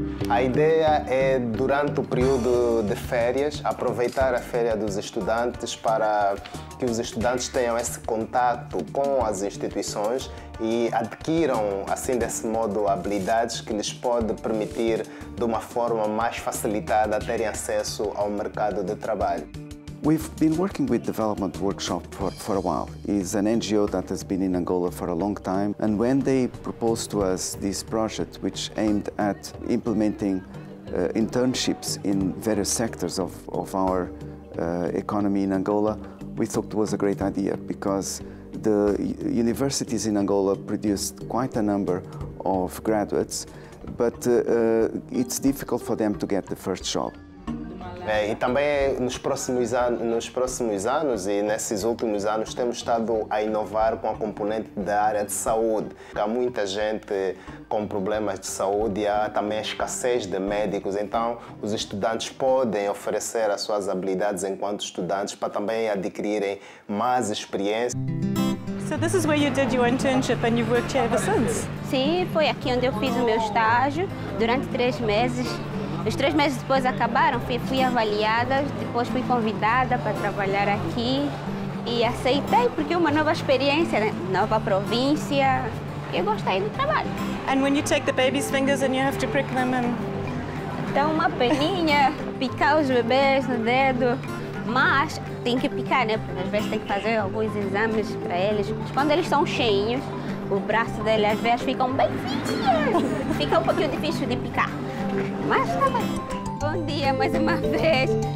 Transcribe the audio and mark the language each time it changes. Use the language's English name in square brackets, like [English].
[Portuguese] A ideia é, durante o período de férias, aproveitar a férias dos estudantes para que os estudantes tenham esse contato com as instituições e adquiram, assim, desse modo, habilidades que lhes pode permitir, de uma forma mais facilitada, terem acesso ao mercado de trabalho. [English] We've been working with Development Workshop for a while. It's an NGO that has been in Angola for a long time. And when they proposed to us this project, which aimed at implementing internships in various sectors of our economy in Angola, we thought it was a great idea because the universities in Angola produced quite a number of graduates, but it's difficult for them to get the first job. [Portuguese] E também nos próximos anos e nesses últimos anos temos estado a inovar com a componente da área de saúde. Há muita gente com problemas de saúde e há também a escassez de médicos. Então, os estudantes podem oferecer as suas habilidades enquanto estudantes para também adquirirem mais experiência. [English] So this is where you did your internship and you've worked here ever since? [Portuguese] Sim, foi aqui onde eu fiz o meu estágio durante 3 meses. Os 3 meses depois acabaram, fui avaliada, depois fui convidada para trabalhar aqui e aceitei porque é uma nova experiência, né? Nova província. Eu gostei do trabalho. [English] And when you take the baby's fingers and you have to prick them and... [Portuguese] Dá uma peninha, picar os bebês no dedo, mas tem que picar, né? Porque às vezes tem que fazer alguns exames para eles. Mas quando eles são cheinhos, o braço dele às vezes ficam bem fininhos. Fica um pouquinho difícil de picar. Mas tá bem. Bom dia mais uma vez.